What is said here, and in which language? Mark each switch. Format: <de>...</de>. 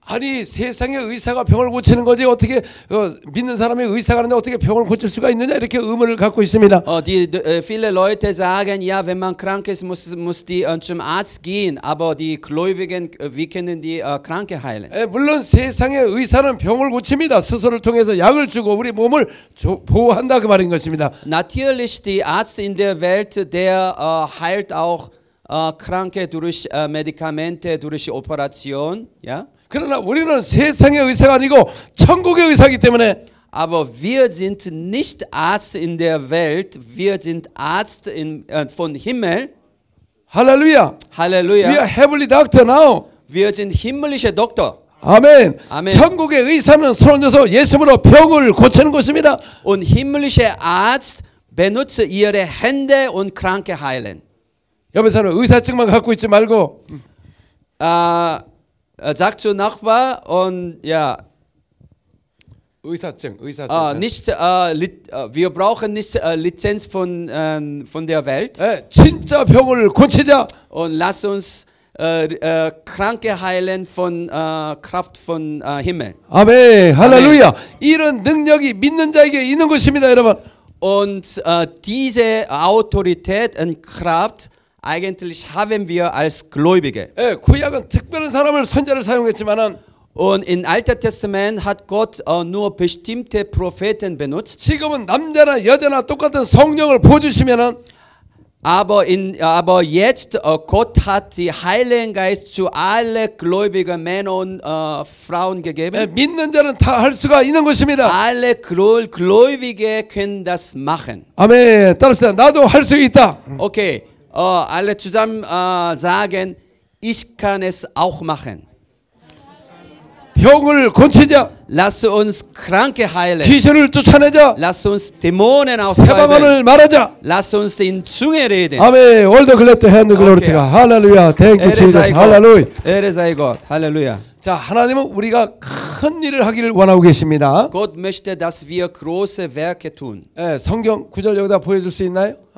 <ko>아니 세상에 의사가 병을 고치는 거지 어떻게 믿는 사람이 의사가 하는데 어떻게 병을 고칠 수가 있느냐 이렇게 의문을 갖고 있습니다.</ko> <de>Viele Leute sagen, ja, wenn man krank ist, muss die zum Arzt gehen. Aber die Gläubigen, wie können die Kranke heilen?</de> <ko>예, 물론 세상에 의사는 병을 고칩니다. 수술을 통해서 약을 주고 우리 몸을 보호한다 그 말인 것입니다.</ko> <de>Natürlich, die Arzt in der Welt, der heilt auch. Kranke durch Medikamente, durch Operation, ja.</de> <ko>그러나 우리는 세상의 의사가 아니고 천국의 의사이기 때문에.</ko> <de>Aber wir sind nicht Arzt in der Welt, wir sind Arzt von Himmel. Halleluja. Halleluja.</de> <en>We are heavenly doctor now.</en> <de>Wir sind himmlische Doktor.</de> <ko>아멘. 아멘. 천국의 의사는 손 얹어서 예수님으로 병을 고치는 것입니다.</ko> <de>Und himmlische Arzt benutzt ihre Hände und Kranke heilen.</de> <ko>옆에 사람 의사증만 갖고 있지 말고</ko> <de>sag zu Nachbar und ja</de> <ko>의사증</ko> <de>nicht wir brauchen nicht Lizenz von der Welt</de> <ko>에, 진짜 병을 고치자</ko> <de>und lass uns Kranke heilen von Kraft von Himmel</de> <ko>아멘 할렐루야 아멘. 이런 능력이 믿는 자에게 있는 것입니다 여러분</ko> <de>und diese Autorität und Kraft Eigentlich haben wir als Gläubige.</de> <ko>예, 구약은 특별한 사람을 선지자를 사용했지만은.</ko> <de>Und in Alter Testament hat Gott nur bestimmte Propheten benutzt.</de> <ko>지금은 남자나 여자나 똑같은 성령을 부어주시면은.</ko> <de>Aber jetzt Gott hat die Heiligen Geist zu alle gläubigen Männer und Frauen gegeben.</de> <ko>예, 믿는 자는 다 할 수가 있는 것입니다.</ko> <de>Alle Gläubige können das machen.</de> <ko>아멘. 따라합시다. 나도 할 수 있다.</ko> <en>Okay.</en> <de>Alle zusammen sagen, ich kann es auch machen.</de> <ko>병을 고치자.</ko> <de>Lass uns Kranke heilen.</de> <ko>귀신을 쫓아내자.</ko> <de>Lass uns Dämonen austreiben.</de> <ko>새 방언을 말하자.</ko> <de>Lass uns in Zunge reden.</de> <en>Amen. All the glory to hand glory to God. Hallelujah. Thank you Jesus. Hallelujah. Erezai God. Hallelujah.</en> <ko>자, 하나님은 우리가 큰 일을 하기를 원하고 계십니다.</ko> <de>God möchte, dass wir große Werke tun.</de> <ko>예, 성경 구절 여기다 보여줄 수 있나요?</ko>